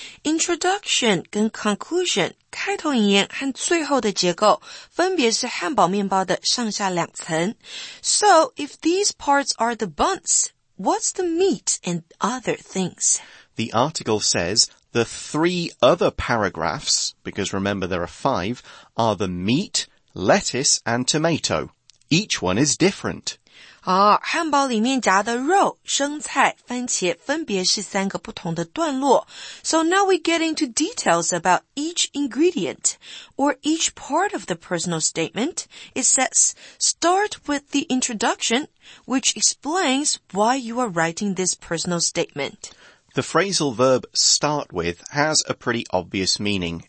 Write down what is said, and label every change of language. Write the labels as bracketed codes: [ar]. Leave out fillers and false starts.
[zh] Introduction 跟 conclusion, 开头引言和最后的结构分别是汉堡面包的上下两层。 [en] So, if these parts are the buns, what's the meat and other things? The article says... The three other paragraphs, because remember there are five, are the meat, lettuce, and tomato. Each one is different. [zh] 汉堡里面夹的肉、生菜、番茄分别是三个不同的段落。 [en] So now we get into details about each ingredient, or each part of the personal statement. It says, start with the introduction, which explains why you are writing this personal statement. The phrasal verb start with has a pretty obvious meaning.